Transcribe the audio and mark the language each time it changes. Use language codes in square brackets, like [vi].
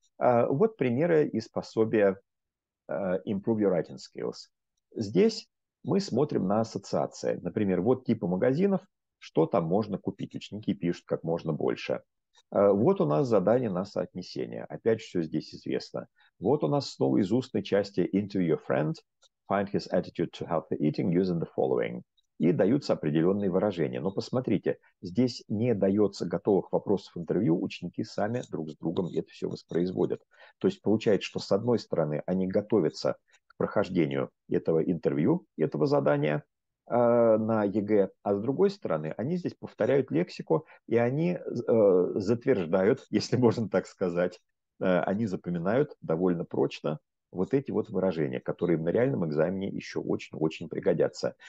[ru] Вот примеры из пособия Improve Your Writing Skills. Здесь мы смотрим на ассоциации. Например, вот типы магазинов, что там можно купить. Ученики пишут как можно больше. Вот у нас задание на соотнесение. Опять же, все здесь известно. Вот у нас снова из устной части Interview Your Friend. [en] Find his attitude to healthy eating using the following. [ru] И даются определенные выражения. Но посмотрите, здесь не дается готовых вопросов интервью, ученики сами друг с другом это все воспроизводят. То есть получается, что с одной стороны они готовятся к прохождению этого интервью, этого задания на ЕГЭ, а с другой стороны они здесь повторяют лексику, и они затверждают, если можно так сказать, они запоминают довольно прочно вот эти вот выражения, которые на реальном экзамене еще очень-очень пригодятся.